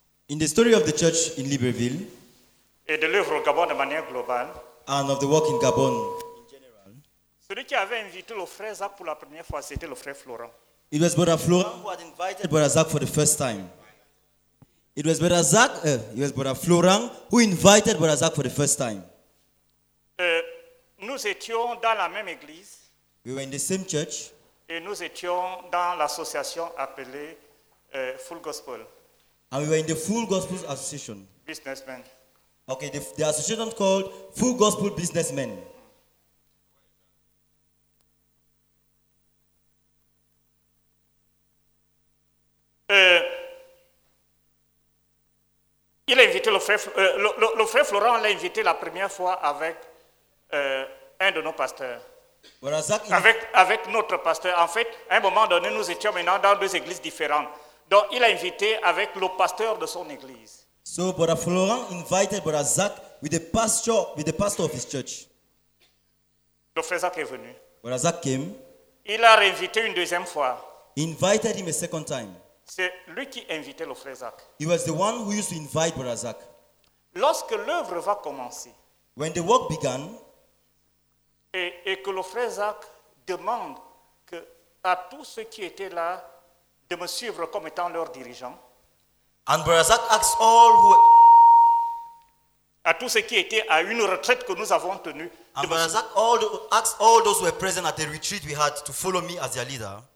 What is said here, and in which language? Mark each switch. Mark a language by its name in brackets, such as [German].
[English] in the story of the church in Libreville, [French] et de l'œuvre au Gabon de manière globale, [English] and of the work in Gabon in general, [French] celui qui avait invité le frère Zach pour la première fois, c'était le frère Florent. [English] It was Brother Florent who had invited Brother Zach for the first time. [French] Nous étions dans la même église. [English] We were in the same church. [French] Et nous étions dans l'association appelée Full Gospel. [English] And we were in the Full Gospel Association. Businessmen. Okay, the association called Full Gospel Businessmen. [French] Il a invité le frère Florent l'a invité la première fois avec un de nos pasteurs. Avec notre pasteur. En fait, à un moment donné, nous étions maintenant dans deux églises différentes. Donc, il a invité avec le pasteur de son église. [English] So, Brother Florent invited Brother Zach with the pastor of his church. [French] Le frère Zach est venu. [English] Brother Zach came. [French] Il a réinvité une deuxième fois. [English] He invited him a second time. [French] C'est lui qui invitait le frère Zach. [English] He was the one who used to invite Brother Zach. [French] Lorsque l'œuvre va commencer. [English] When the work began. [French] Et que le frère Zach demande que à tous ceux qui étaient là de me suivre comme étant leur dirigeant. [English] And Brother Zach asks all who [French] à tous ceux qui étaient à une retraite que nous avons tenue. [English] And Brother Zach asks all those who were present at the retreat we had to follow me as their leader.